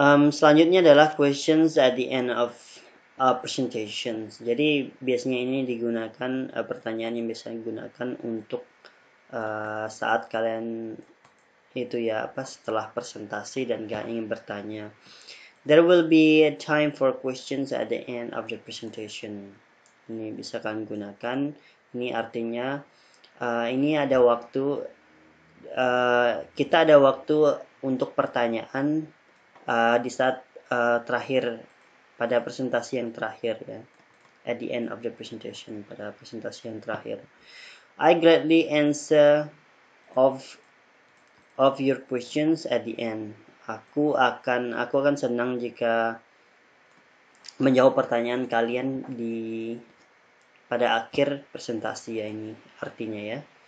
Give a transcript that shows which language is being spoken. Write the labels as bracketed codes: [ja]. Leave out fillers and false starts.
[id] Selanjutnya adalah [en] questions at the end of presentations. [id] Jadi biasanya ini digunakan pertanyaan yang biasanya digunakan untuk saat kalian itu ya apa setelah presentasi dan gak ingin bertanya. [en] There will be a time for questions at the end of the presentation. [id] Ini bisa kalian gunakan. Ini artinya ini ada waktu. Kita ada waktu untuk pertanyaan di saat terakhir pada presentasi yang terakhir ya, [en] at the end of the presentation, [id] pada presentasi yang terakhir. [en] I gladly answer of your questions at the end. [id] Aku akan senang jika menjawab pertanyaan kalian di pada akhir presentasi ya, ini artinya ya.